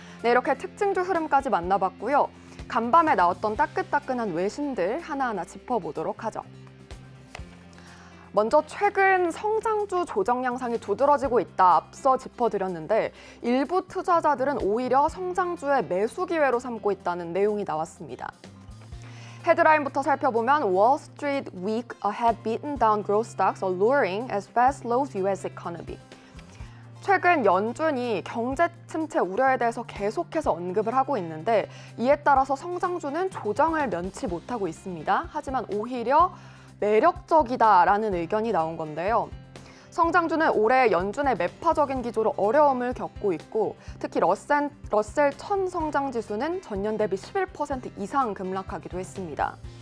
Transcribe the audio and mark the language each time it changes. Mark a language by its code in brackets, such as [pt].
[ko] 네, 이렇게 특징주 흐름까지 만나봤고요. 간밤에 나왔던 따끈따끈한 외신들 하나하나 짚어보도록 하죠. 먼저 최근 성장주 조정 양상이 두드러지고 있다 앞서 짚어드렸는데 일부 투자자들은 오히려 성장주의 매수 기회로 삼고 있다는 내용이 나왔습니다. 헤드라인부터 살펴보면 [en] Wall Street week ahead beaten down growth stocks are luring as Fed slows US economy. [ko] 최근 연준이 경제 침체 우려에 대해서 계속해서 언급을 하고 있는데 이에 따라서 성장주는 조정을 면치 못하고 있습니다. 하지만 오히려 매력적이다라는 의견이 나온 건데요. 성장주는 올해 연준의 매파적인 기조로 어려움을 겪고 있고 특히 러셀 1000 성장지수는 전년 대비 11% 이상 급락하기도 했습니다.